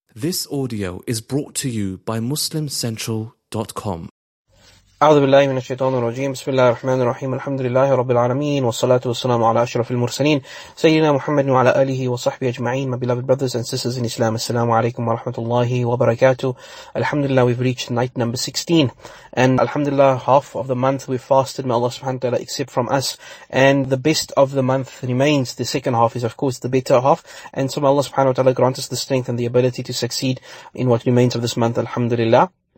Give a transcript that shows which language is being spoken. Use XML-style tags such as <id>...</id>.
<en>This audio is brought to you by MuslimCentral.com.</en> <ar>أعوذ بالله من الشيطان الرجيم. بسم الله الرحمن الرحيم. الحمد لله رب العالمين والصلاة والسلام على أشرف المرسلين سيدنا محمد وعلى آله وصحبه أجمعين.</ar> <en>My beloved brothers and sisters in Islam, السلام عليكم ورحمة الله وبركاته. الحمد لله, we've reached night number 16, and alhamdulillah, half of the month we've fasted. May Allah subhanahu wa ta'ala accept from us, and the best of the month remains. The second half is of course the better half, and so may Allah subhanahu wa ta'ala grant us the strength and the ability to succeed in what remains of this month, alhamdulillah.</en>